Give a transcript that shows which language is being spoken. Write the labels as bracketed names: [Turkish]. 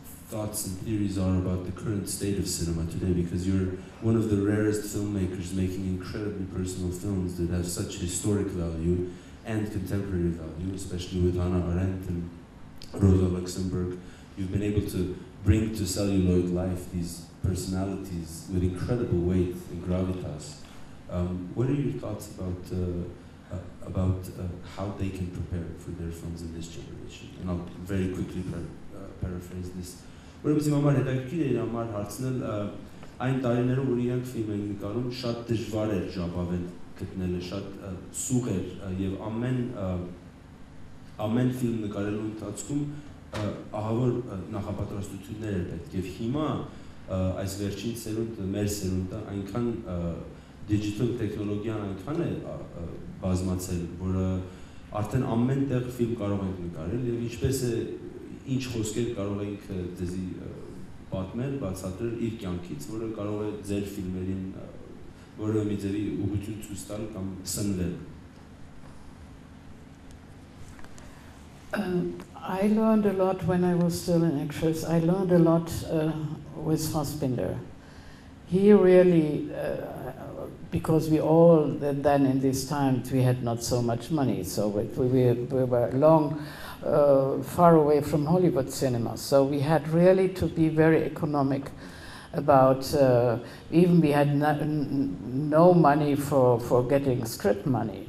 [English] thoughts and theories are about the current state of cinema today, because you're one of the rarest filmmakers making incredibly personal films that have such historic value and contemporary value, especially with Hannah Arendt and Rosa Luxemburg. You've been able to bring to celluloid life these personalities with incredible weight and gravitas. What are your thoughts about how they can prepare for their films in this generation? And I'll very quickly paraphrase this. [Armenian] Որպեսզի մամար հետաքրքիր է իր համար հարցնել, այն տարիներում, որ իրանք ֆիլմ էին նկարում, շատ դժվար էր ժապավեն գտնելը, շատ սուղ էր, և ամեն ֆիլմ նկարելու ընթացքում ահավոր նախապատրաստություններ էր պետք, և հիմա այս վերջին սերունդը, մեր սերունդը, այնքան դիջիտալ տեխնոլոգիան այնքան է բազմացել, որ արդեն ամեն տեղ ֆիլմ կարող ենք նկարել, և ինչպես է ինչ խոսքեր կարող ենք ձեզի պատմել, բացատրել իր կյանքից, որը կարող է ձեր ֆիլմերին որը մի ձևի ուղղություն ցույց տալ կամ սնվել։ [English] I learned a lot when I was still an actress. I learned a lot with Fassbinder. He really, because we all then in these times we had not so much money, so we were long far away from Hollywood cinema, so we had really to be very economic about, even we had no money for getting script money.